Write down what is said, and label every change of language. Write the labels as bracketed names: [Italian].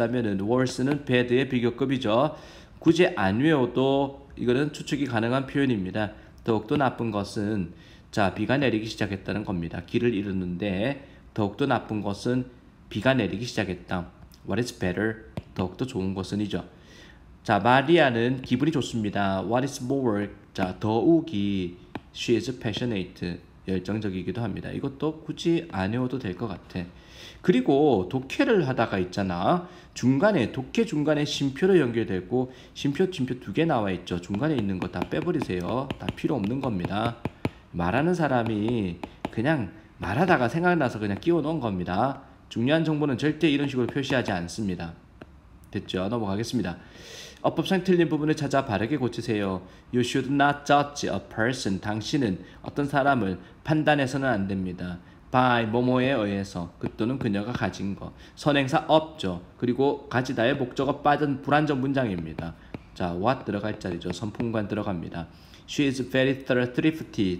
[Korean] 하면은 worse는 bad의 비교급이죠. 굳이 안 외워도 이거는 추측이 가능한 표현입니다. 더욱더 나쁜 것은 자 비가 내리기 시작했다는 겁니다. 길을 잃었는데 더욱더 나쁜 것은 비가 내리기 시작했다. [English] What is better? [Korean] 더욱더 좋은 것은이죠. 자 마리아는 기분이 좋습니다. [English] What is more? 자 [Korean] 더욱이 [English] She is passionate. [Korean] 열정적이기도 합니다. 이것도 굳이 안 외워도 될 것 같아. 그리고 독해를 하다가 있잖아. 중간에 독해 중간에 심표로 연결되고 심표 두 개 나와 있죠. 중간에 있는 거 다 빼버리세요. 다 필요 없는 겁니다. 말하는 사람이 그냥 말하다가 생각나서 그냥 끼워 놓은 겁니다. 중요한 정보는 절대 이런 식으로 표시하지 않습니다. 됐죠? 넘어가겠습니다. 어법상 틀린 부분을 찾아 바르게 고치세요. [English] You should not judge a person. [Korean] 당신은 어떤 사람을 판단해서는 안 됩니다. By 뭐뭐에 의해서 그 또는 그녀가 가진 거. 선행사 없죠. 그리고 가지다의 목적어 빠진 불완전 문장입니다. 자, what 들어갈 자리죠. 선풍관 들어갑니다. [English] She is very thrifty.